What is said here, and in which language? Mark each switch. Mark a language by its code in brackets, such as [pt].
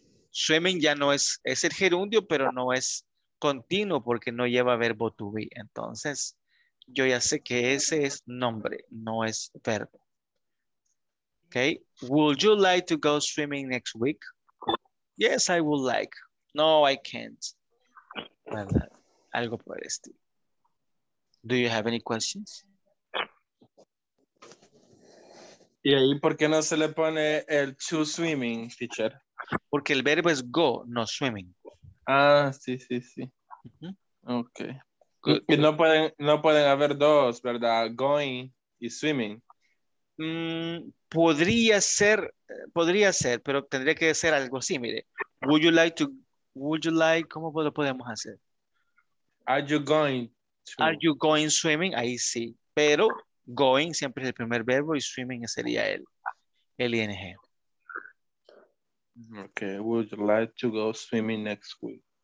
[es] Swimming ya no es el gerundio, pero no es continuo porque no lleva verbo to be. Entonces, yo ya sé que ese es nombre, no es verbo. Ok. [en] Would you like to go swimming next week? Yes, I would like. No, I can't. [es] ¿Verdad? Algo por el estilo. [en] Do you have any questions? [es] ¿Y ahí por qué no se le pone el [en] to swimming, [es] teacher? Porque el verbo es go, no swimming. Ah, sí, sí, sí. Uh-huh. Ok. Good. Y no pueden haber dos, ¿verdad? Going y swimming. Podría ser, pero tendría que ser algo así, mire. [en] Would you like, [es] ¿cómo lo podemos hacer? [en] Are you going [es] swimming? Ahí sí, pero... Going siempre es el primer verbo y swimming sería el ing. [en] Okay, would you like to go swimming next week?